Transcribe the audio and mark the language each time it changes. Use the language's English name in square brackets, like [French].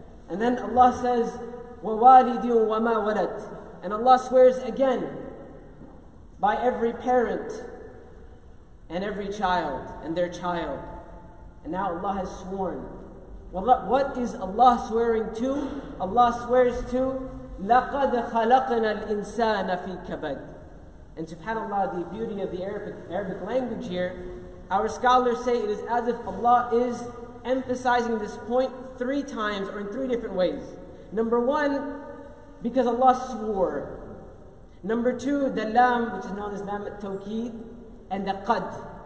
[English] And then Allah says, [Arabic] وَوَالِدٍ وَمَا وَلَدْ, [English] and Allah swears again by every parent and every child and their child. And now Allah has sworn. What is Allah swearing to? Allah swears to [Arabic] لَقَدْ خَلَقْنَا الْإِنسَانَ فِي كَبَدْ. [English] And subhanAllah, the beauty of the Arabic language here, our scholars say it is as if Allah is emphasizing this point three times, or in three different ways. Number one, because Allah swore. Number two, the lam, which is known as lam at-tawkid, and the qad.